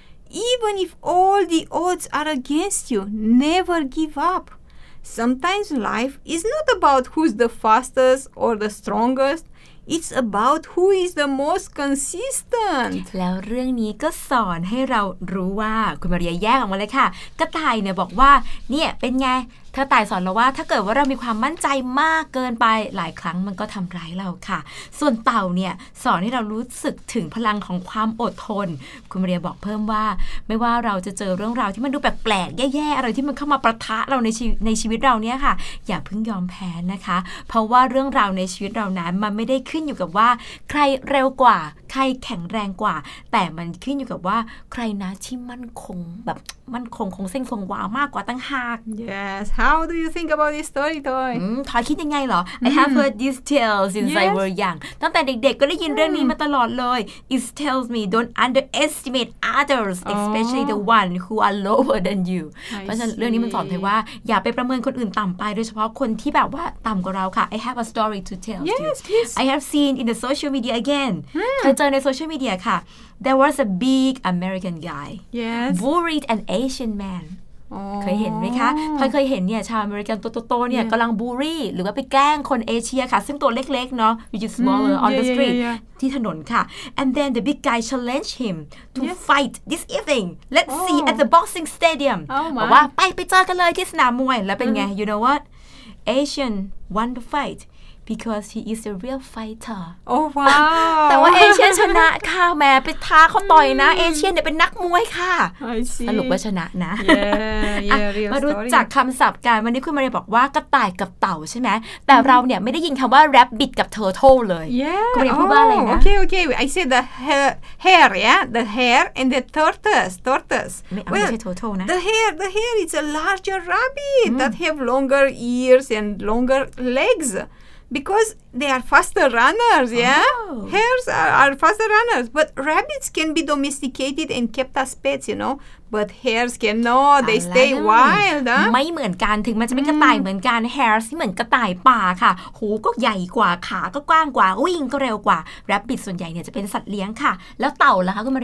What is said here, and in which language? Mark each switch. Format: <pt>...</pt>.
<en>Even if all the odds are against you, never give up. Sometimes life is not about who's the fastest or the strongest. It's about who is the most consistent.</en> <th>แล้วเรื่องนี้ก็สอนให้เรารู้ว่าคุณมาเรียแยกออกมาเลยค่ะกระต่ายเนี่ยบอกว่าเนี่ยเป็นไงกระต่ายสอนเราว่าถ้าเกิดว่าเรามีความมั่นใจมากเกินไปหลายครั้งมันก็ทำร้ายเราค่ะส่วนเต่าเนี่ยสอนให้เรารู้สึกถึงพลังของความอดทน คุณมาเรียบอกเพิ่มว่าไม่ว่าเราจะเจอเรื่องราวที่มันดูแปลกๆแย่ๆอะไรที่มันเข้ามาประทะเราในชีวิตเราเนี่ยค่ะอย่าเพิ่งยอมแพ้นะคะเพราะว่าเรื่องราวในชีวิตเรานั้นมันไม่ได้ขึ้นอยู่กับว่าใครเร็วกว่าใครแข็งแรงกว่าแต่มันขึ้นอยู่กับว่าใครนะที่มั่นคงแบบมั่นคงคงเส้นคงวามากกว่าตั้งหาก</th> <en>Yes how do you think about this story Toy</en> <th>Toy คิดยังไงเหรอ</th> <en>I have heard these tales since I were young</en> <th>ตั้งแต่เด็กๆก็ได้ยินเรื่องนี้มาตลอดเลย</th> <en>It tells me don't underestimate others especially the one who are lower than you</en> <th>เพราะฉะนั้นเรื่องนี้มันสอนไทยว่าอย่าไปประเมินคนอื่นต่ำไปโดยเฉพาะคนที่แบบว่าต่ำกว่าเราค่ะ</th> <en>I have a story to tell you I have seen in the social media again</en> <th>เจอในโซเชียลมีเดียค่ะ</th> <en>There was a big American guy Yes Worried an Asian man</en> <th>เคยเห็นไหมคะพอเคยเห็นเนี่ยชาวอเมริกันโตๆเนี่ยกำลังบูรี่หรือว่าไปแกล้งคนเอเชียค่ะซึ่งตัวเล็กๆเนาะ</th> <en>which is smaller on the street</en> <th>ที่ถนนค่ะ</th> <en>and then the big guy challenged him to fight this evening let's see at the boxing stadium</en> <th>บอกว่าไปเจอกันเลยที่สนามมวยแล้วเป็นไง</th> <en>you know what Asian won the fight because he is a real fighter oh wow</en> <th>แต่ว่าเอเชียชนะค่ะแม่ไปท้าเขาต่อยนะเอเชียเนี่ยเป็นนักมวยค่ะสรุปว่าชนะนะ</th> <en>yeah,</en> <th>มารู้จักคำศัพท์กันวันนี้คุณมาเรียบอกว่ากระต่ายกับเต่าใช่ไหมแต่เราเนี่ยไม่ได้ยินคำว่า rabbit กับ turtle เลยคุณมาเรียพูดว่าอะไรนะ โอเคโอเค</th> <en>I say the hair yeah the hair and the tortoise</en> <th>ไม่ใช่ turtle นะ</th> <en>the hair is a larger rabbit that have longer ears and longer legs because they are faster runners hares are faster runners but rabbits can be domesticated and kept as pets you know but hares can not they stay wild</en> <th>ไม่เหมือนกันถึงมันจะเป็นกระต่ายเหมือนกัน hares เหมือนกระต่ายป่าค่ะหูก็ใหญ่กว่าขาก็กว้างกว่าวิ่งก็เร็วกว่า rabbit ส่วนใหญ่เนี่ยจะเป็นสัตว์เลี้ยงค่ะแล้วเต่าล่ะคะคุณมาเร</th>